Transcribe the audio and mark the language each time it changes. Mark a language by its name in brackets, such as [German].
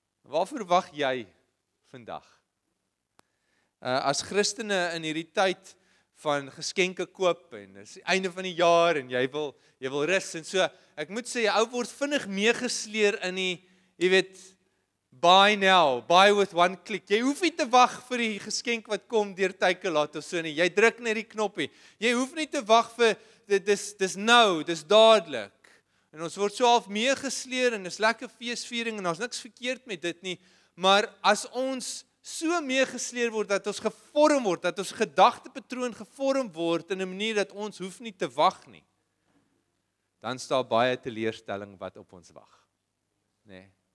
[Afrikaans] Waarvoor wag jy vandag? As Christene in hierdie tyd van geskenke koop, en is die einde van die jaar, en jy wil rus, en so, ek moet sê, jy ou word vinnig meegesleer in die jy weet, [English] buy now, buy with one click. [Afrikaans] Jy hoef nie te wag vir die geskenk wat kom deur Takealot of so nie. Jy druk net die knoppie. Jy hoef nie te wag vir dis nou, dis dadelik. En ons word so half meegesleer en is lekker feesviering en daar's niks verkeerd met dit nie, maar as ons so meegesleer word dat ons gevorm word, dat ons gedagtepatroon gevorm word in 'n manier dat ons hoef nie te wag nie, dan staan baie teleurstelling wat op ons wag. Nee.